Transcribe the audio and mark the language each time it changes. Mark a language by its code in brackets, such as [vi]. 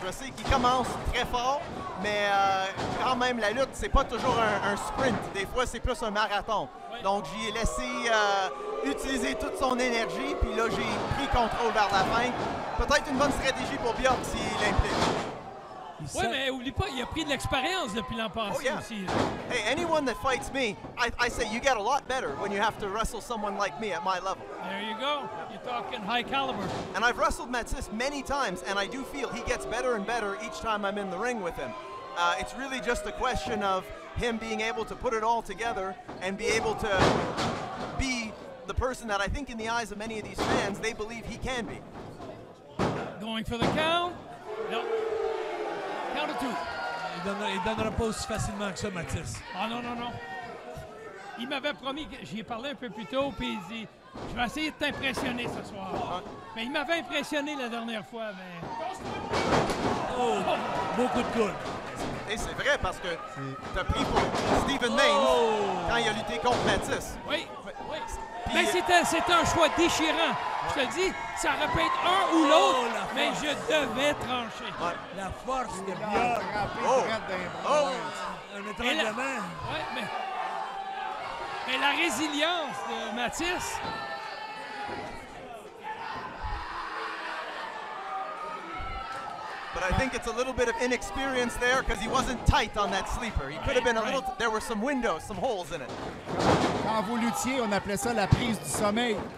[fr] Je sais qu'il commence très fort, mais quand même, la lutte, c'est pas toujours un sprint. Des fois, c'est plus un marathon. Ouais. Donc, j'y ai laissé utiliser toute son énergie, puis là, j'ai pris contrôle vers la fin. Peut-être une bonne stratégie pour Bjorg s'il implique. Oui, mais oublie pas, il a pris de l'expérience depuis l'an passé aussi. [en] Hey, anyone that fights me, I say you get a lot better when you have to wrestle someone like me at my level. There you go. You're talking high caliber. And I've wrestled Mathis many times, and I do feel he gets better and better each time I'm in the ring with him. It's really just a question of him being able to put it all together and be able to be the person that I think in the eyes of many of these fans, they believe he can be. Going for the count. No. Count of two. [fr] Il donnera pas aussi facilement que ça, Mathis. Ah non. Il m'avait promis, j'y ai parlé un peu plus tôt, puis il dit, je vais essayer de t'impressionner ce soir. Hein? Mais il m'avait impressionné la dernière fois, mais... Oh, beaucoup de coudes. Et c'est vrai parce que tu as pris pour Steven Mains quand il a lutté contre Mathis. Oui, oui. Mais c'est un choix déchirant. Ouais. Je te dis, ça aurait pu être un ou l'autre, la mais je devais trancher. Ouais. La force de Bjorg. Un étranglement. Oui, mais... Et la résilience de Mathis. [en] But I think it's a little bit of inexperience there because he wasn't tight on that sleeper. He could have been a little... There were some windows, some holes in it. [fr] Quand vous luttiez, on appelait ça la prise du sommeil.